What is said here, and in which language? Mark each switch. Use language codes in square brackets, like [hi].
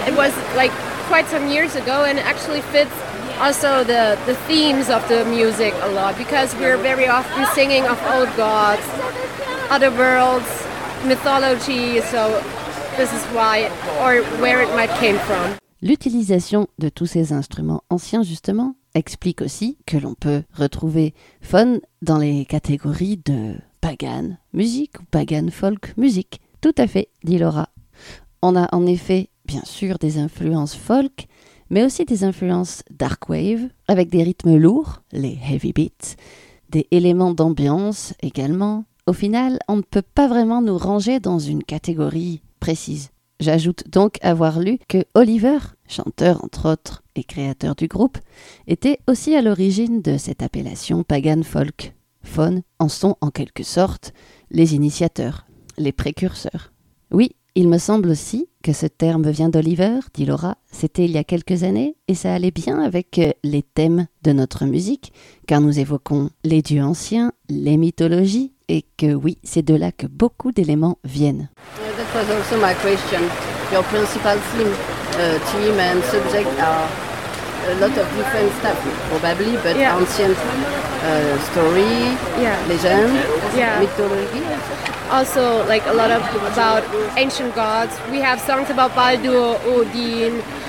[en] It was like quite some years ago, and it actually fits also the themes of the music a lot, because we're very often singing of old gods, other worlds, mythology, so this is why or where it might came from. [fr] L'utilisation de tous ces instruments anciens, justement, explique aussi que l'on peut retrouver Fon dans les catégories de pagan musique ou pagan folk musique. Tout à fait, dit Laura. On a en effet bien sûr des influences folk, mais aussi des influences dark wave, avec des rythmes lourds, les heavy beats, des éléments d'ambiance également. Au final, on ne peut pas vraiment nous ranger dans une catégorie précise. J'ajoute donc avoir lu que Oliver, chanteur entre autres et créateur du groupe, était aussi à l'origine de cette appellation pagan folk. Faun en sont en quelque sorte les initiateurs, les précurseurs. Oui, il me semble aussi que ce terme vient d'Oliver, dit Laura, c'était il y a quelques années, et ça allait bien avec les thèmes de notre musique, car nous évoquons les dieux anciens, les mythologies, et que oui, c'est de là que beaucoup d'éléments viennent. [en] Yeah, that was also my question. Your principal theme, team and subject are a lot of different stuff, probably, but yeah. Ancient story, yeah. Legend, yeah. Mythology. Also, like a lot of about ancient gods. We have songs about Baldur, Odin.